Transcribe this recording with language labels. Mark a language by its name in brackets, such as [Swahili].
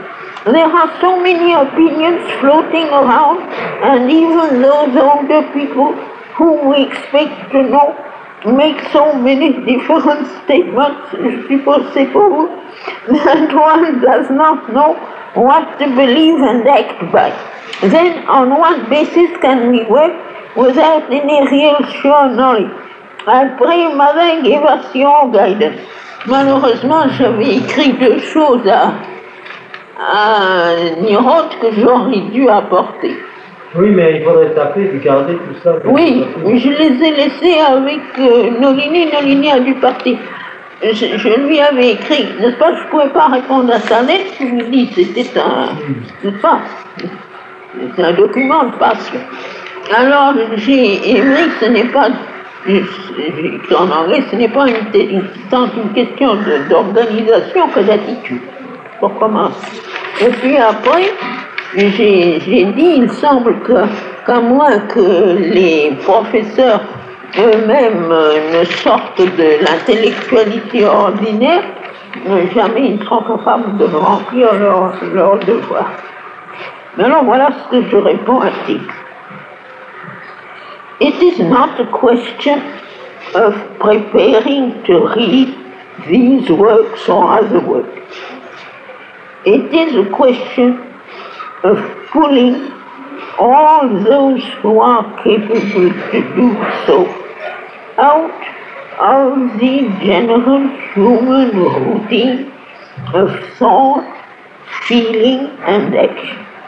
[English] There are so many opinions floating around, and even those older people whom we expect to know make so many different statements, [French] si possible, [English] that one does not know what to believe and act by. Then, on what basis can we work without any real sure knowledge? I pray, Mother, give us your guidance. [French] Malheureusement, j'avais écrit deux choses à Niroth que j'aurais dû apporter. Oui, mais il faudrait taper et garder tout ça. Oui, je les ai laissés avec Nolini. Nolini a dû partir. Je lui avais écrit, n'est-ce pas, je ne pouvais pas répondre à sa lettre. Je vous dis, c'était un, n'est-ce pas, c'est un document de passion. Alors, j'ai aimé, ce n'est pas, j'ai écrit en anglais, ce n'est pas une question d'organisation que d'attitude. Pour commencer. Et puis après, j'ai dit, il semble que, qu'à moins que les professeurs eux-mêmes ne sortent de l'intellectualité ordinaire, jamais ils ne seront capables de remplir leur devoir. Mais alors voilà ce que je réponds à Tic. [English] It is not a question of preparing to read these works or other works. It is a question of pulling all those who are capable to do so out of the general human routine of thought, feeling, and action.